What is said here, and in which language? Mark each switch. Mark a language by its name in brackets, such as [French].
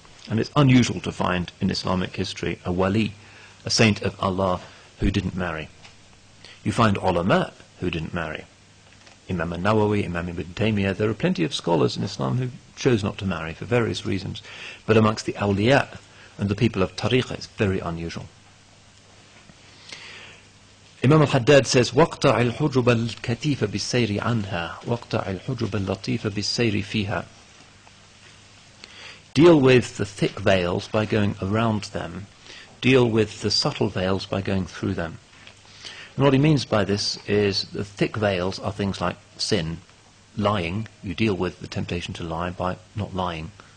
[English] And it's unusual to find in Islamic history a wali, a saint of Allah, who didn't marry. You find ulama who didn't marry. Imam al-Nawawi, Imam ibn Taymiyyah, there are plenty of scholars in Islam who chose not to marry for various reasons. But amongst the awliya and the people of tariqah, it's very unusual. Imam al-Haddad says, [Arabic] وَقْطَعِ الْحُجُبَ الْكَتِيفَ بِالسَّيْرِ عَنْهَا وَقْطَعِ الْحُجُبَ اللَّطِيفَ بِالسَّيْرِ فِيهَا. [English] Deal with the thick veils by going around them. Deal with the subtle veils by going through them. And what he means by this is the thick veils are things like sin, lying. You deal with the temptation to lie by not lying.